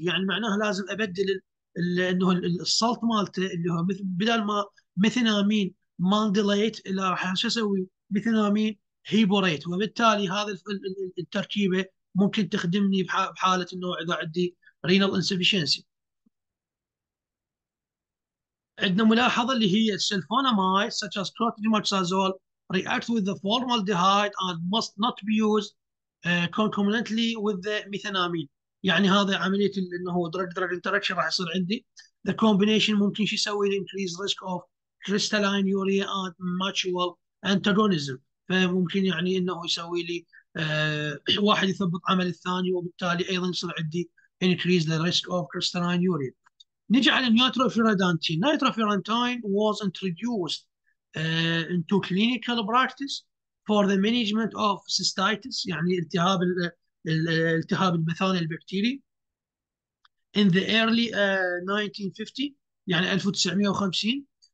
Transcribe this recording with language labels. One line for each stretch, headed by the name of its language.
Arabic: يعني معناها لازم ابدل انه السلط مالته اللي هو بدل ما ميثينامين ماندليت الا راح شو اسوي؟ ميثينامين هيبوريت. وبالتالي هذا التركيبه ممكن تخدمني بحاله انه اذا عندي رينال انسفيشنسي. عندنا ملاحظة اللي هي السلفونامايد
English: such as clotrimoxazole react with the formaldehyde and must not be used concomitantly with the methanamine.
Arabic: يعني هذا عملية انه هو
English: drug drug interaction
Arabic: راح يصير عندي.
English: The combination
Arabic: ممكن شو يسوي؟
English: increase risk of crystalline urea and mutual antagonism.
Arabic: فممكن يعني انه يسوي لي واحد يثبط عمل الثاني، وبالتالي ايضا يصير عندي
English: increase the risk of crystalline urea.
Arabic: نيجي على النيتروفيرادانتين.
English: nitrofurantoin was introduced into clinical practice for the management of cystitis،
Arabic: يعني التهاب التهاب المثانة البكتيري،
English: in the early 1950، يعني 1950.